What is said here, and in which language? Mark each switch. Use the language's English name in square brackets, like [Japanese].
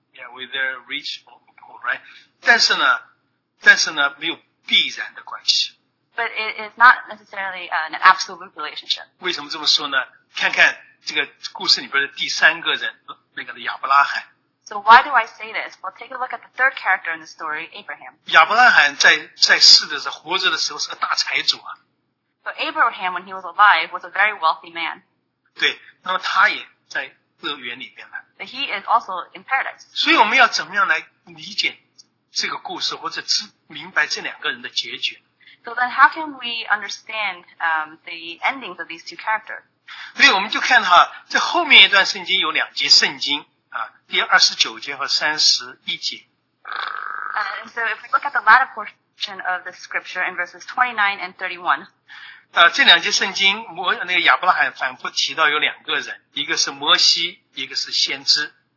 [English] Yeah, with their rich or poor, right? [Chinese] 但是呢没有必然的关系。 [English] But it is not necessarily an absolute relationship. [Chinese] 为什么这么说呢？看看这个故事里边的第三个人，那个亚伯拉罕。 [English] So why do I say this? Well, take a look at the third character in the story, Abraham. [Chinese] 亚伯拉罕在世的时候，活着的时候是个大财主啊。 [English] So Abraham, when he was alive, was a very wealthy man. [Chinese] 对，那么他也在乐园里边了。 [English] But he is also in paradise. [Chinese] 所以我们要怎么样来理解这个故事，或者明白这两个人的结局 [English] ？So then, how can we understand the endings of these two characters? [Chinese] 所以我们就看哈，在后面一段圣经有两节圣经。第29节和31节。 [English] So if we look at the latter portion of the scripture in verses 29 and 31. [Chinese] 这两节圣经那个亚伯拉罕反复提到有两个人，一个是摩西，一个是先知。